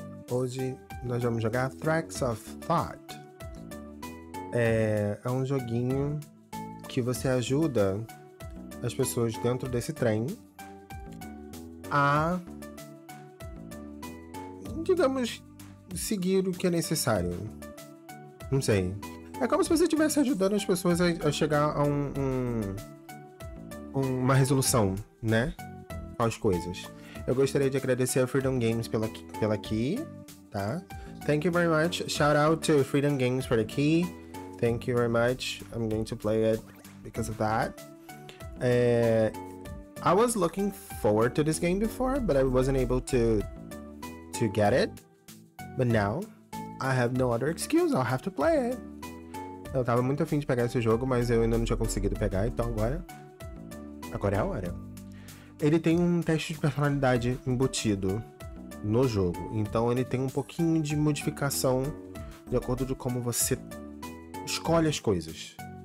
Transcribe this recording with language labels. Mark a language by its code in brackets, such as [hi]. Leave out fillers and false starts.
[pt] Hoje nós vamos jogar Tracks of Thought. É um joguinho que você ajuda as pessoas dentro desse trem a, digamos, seguir o que é necessário. Não sei. É como se você estivesse ajudando as pessoas a chegar a uma resolução, né? As coisas. Eu gostaria de agradecer a Freedom Games pela key, tá? [en] Thank you very much. Shout out to Freedom Games for the key. Thank you very much. I'm going to play it because of that. I was looking forward to this game before, but I wasn't able to get it. But now, I have no other excuse. I'll have to play it. [pt] Eu tava muito afim de pegar esse jogo, mas eu ainda não tinha conseguido pegar. Então agora é a hora. Ele tem um teste de personalidade embutido no jogo. Então ele tem um pouquinho de modificação de acordo com como você escolhe as coisas.